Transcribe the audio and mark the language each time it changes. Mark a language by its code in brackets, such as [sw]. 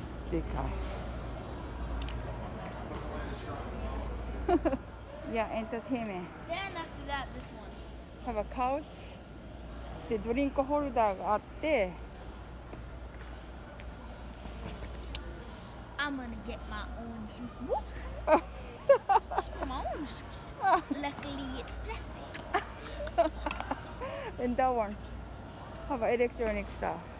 [ja] でかい。 [en] Yeah, entertainment. Then after that, this one. Have a couch. [ja] で、ドリンクホルダーがあって。 [en] I'm gonna get my own juice. Whoops! Just my own juice. Luckily, it's plastic. And that one. How about electronic stuff?